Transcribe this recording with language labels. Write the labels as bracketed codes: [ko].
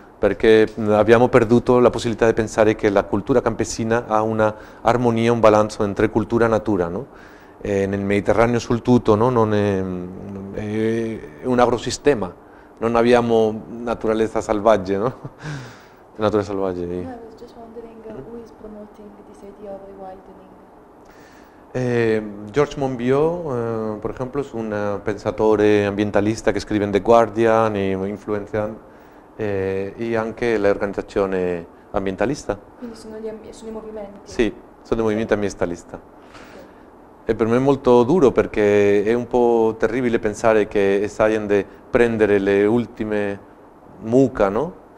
[it] Perché abbiamo perduto la possibilità di pensare che la cultura campesina ha una armonia, un balanzo tra cultura e natura. No? Nel Mediterraneo sul tutto, no? Non è un agrosistema, non abbiamo naturalezza selvaggia. No? Natura selvaggia. [en] I was just wondering who is promoting this idea of rewilding. [it] Georges Monbiot, per esempio, è un pensatore ambientalista che scrive in The Guardian e influenzando. E anche l'organizzazione ambientalista. Quindi sono i movimenti? Sì, sono i movimenti ambientalisti. Okay. E per me è molto duro perché è un po' terribile pensare che stiano di prendere le ultime mucche, no?